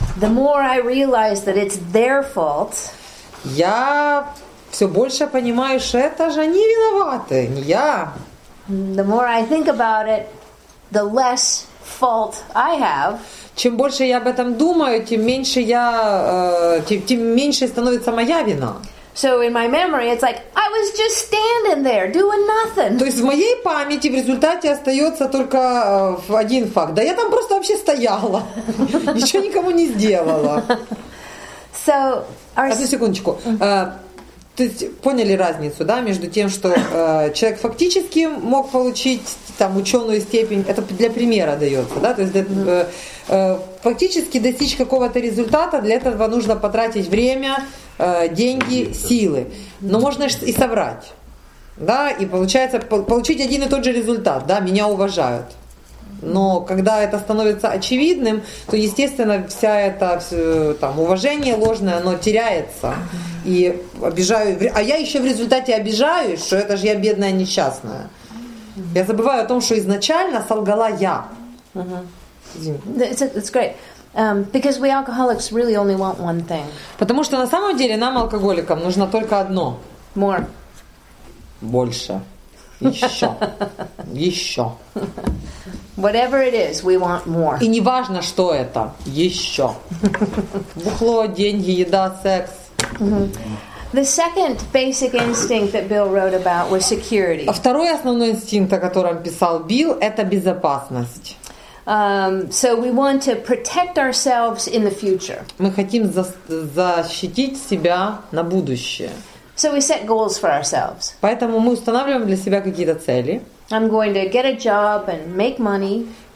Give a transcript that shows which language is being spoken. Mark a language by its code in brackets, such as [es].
[en] the more I realize that it's their fault. [ru] Я все больше понимаю, что это же они виноваты, не я. [en] The more I think about it, the less fault I have. [ru] Чем больше я об этом думаю, тем меньше я, тем меньше становится моя вина. [en] So in my memory, it's like I was just standing there doing nothing. [ru] То есть в моей памяти в результате остается только один факт. Да я там просто вообще стояла, ничего никому не сделала. So одну секундочку. То есть поняли разницу, да, между тем, что человек фактически мог получить там ученую степень. Это для примера дается, да. То есть для, фактически достичь какого-то результата для этого нужно потратить время, деньги, силы. Но можно и соврать, да, и получается получить один и тот же результат, да, меня уважают. Но когда это становится очевидным, то, естественно, вся эта там уважение ложное, оно теряется. И обижаю, а я еще в результате обижаюсь, что это же я бедная несчастная. Я забываю о том, что изначально солгала я. [en] It's great. Because we alcoholics really only want one thing. [ru] Потому что на самом деле нам, алкоголикам, нужно только одно. [en] More. [ru] Больше. Еще. Еще. [en] Whatever it is, we want more. [ru] И не важно, что это. Еще. Бухло, деньги, еда, секс. [en] The second basic instinct that Bill wrote about was security. [ru] А второй основной инстинкт, о котором писал Билл, это безопасность. [en] So we want to protect ourselves in the future. [ru] Мы хотим защитить себя на будущее. [en] So we set goals for ourselves. [ru] Поэтому мы устанавливаем для себя какие-то цели. [en] I'm going to get a job and make money.